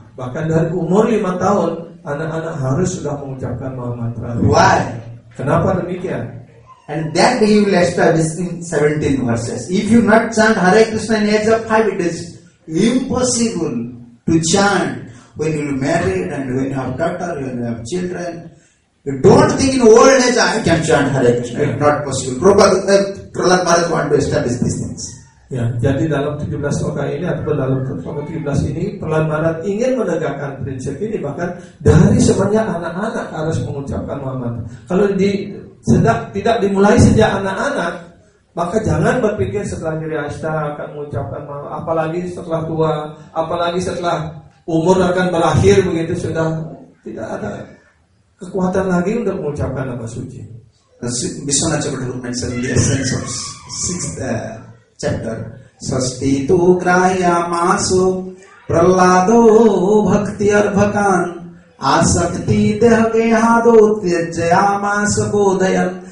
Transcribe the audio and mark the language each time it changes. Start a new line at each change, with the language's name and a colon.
Indonesian: Bahkan dari umur 5 tahun, anak-anak harus sudah mengucapkan mantra.
English: Why?
Indonesian: Kenapa demikian?
English: And that he will establish in 17 verses. If you not chant Hare Krishna in age of 5, it is impossible to chant when you are married and when you have daughter, when you have children. You don't think in old age I can chant Hare Krishna. It's not possible. Prahlad Maharaj want to establish these things.
Indonesian: Ya, jadi dalam 17 sloka ini ataupun dalam 17 ini Prahlad Maharaj ingin menegakkan prinsip ini, bahkan dari sebenarnya anak-anak harus mengucapkan mantra. Kalau tidak dimulai sejak anak-anak, maka jangan berpikir setelah dewasa akan mengucapkan mantra, apalagi setelah tua, apalagi setelah umur akan berakhir begitu sudah tidak ada kekuatan lagi untuk mengucapkan nama suci. Bisa coba dulu
English: mention the essence of sixth chapter.
Sanskrit: Svasti tu grahya masu prallado bhakti arbhakan asakti deha gehado tirjaya masu bodhayan.